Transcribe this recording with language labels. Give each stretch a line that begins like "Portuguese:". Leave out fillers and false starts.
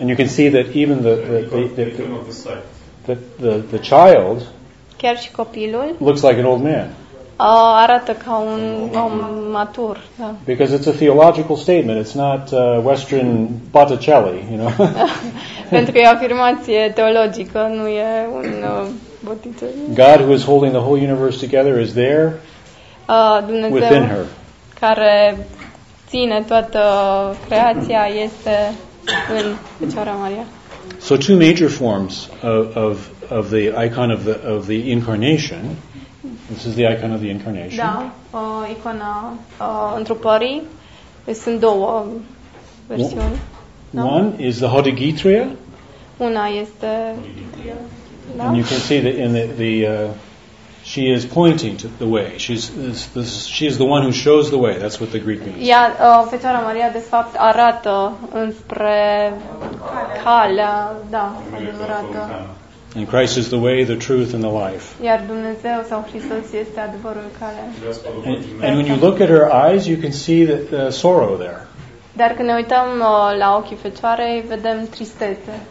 English: And you can see that even the child.
Romanian: Chiar și copilul.
English: Looks like an old man.
Romanian: Arată ca un om matur, da.
English: Because it's a theological statement, it's not Western Botticelli, you know.
Romanian: Pentru că e o afirmație teologică, nu e un Botticelli.
English: God, who is holding the whole universe together, is there
Romanian: Dumnezeu
English: within her.
Romanian: Care ține toată creația este în Fecioara Maria.
English: So two major forms of the icon of the incarnation. This is the icon of the incarnation.
Romanian: Da, icona întrupării. Sunt două versiuni.
English: One is the Hodegitria.
Romanian: Una este. Da.
English: And you can see that in the she is pointing to the way. She is the one who shows the way. That's what the Greek means.
Romanian: Ia, Fecioara Maria de fapt arată înspre calea, da, adevărată.
English: And Christ is the way, the truth, and the life.
Romanian: Iar Dumnezeu sau Hristos este adevărul, calea.
English: And when you look at her eyes, you can see the sorrow there.
Romanian: Dar când ne uităm la ochii Fecioarei, vedem tristețe.